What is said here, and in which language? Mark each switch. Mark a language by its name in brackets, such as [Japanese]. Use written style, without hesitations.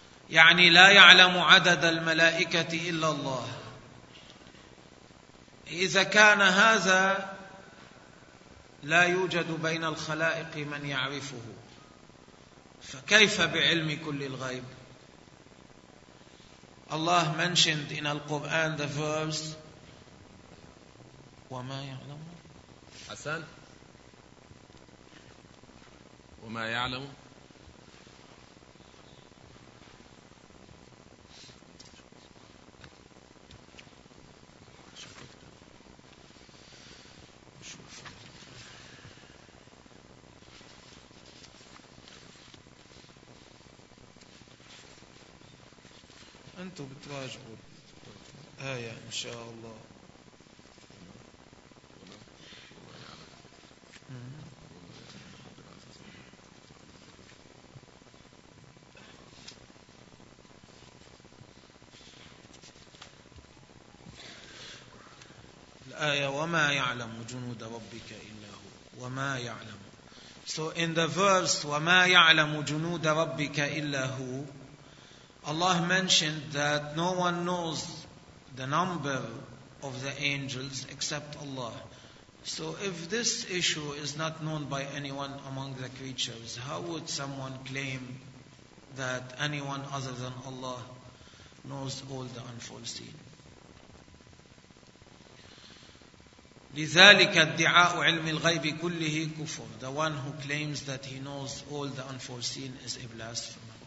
[Arabic] يعني لا يعلم عدد الملائكة إلا الله. إذا كان هذا لا يوجد بين الخلائق من يعرفه فكيف بعلم كل الغيب. [English] الله mentioned in القرآن the verse [Arabic] وما يعلم حسن وما يعلم أنتوا بتواجهوا آية إن شاء الله. ayah, وَمَا يَعْلَمُ جُنُودَ رَبِّكَ إِلَّا هُوَ وَمَا يَعْلَمُ. [English] So in the verse, [Arabic] وَمَا يَعْلَمُ جُنُودَ رَبِّكَ إِلَّا هُوَ, [English] Allah mentioned that no one knows the number of the angels except Allah. So if this issue is not known by anyone among the creatures, how would someone claim that anyone other than Allah knows all the unforeseen? [Arabic] لذلك ادعاء علم الغيب كله كفر. [English] The one who claims that he knows all the unforeseen is a blasphemer.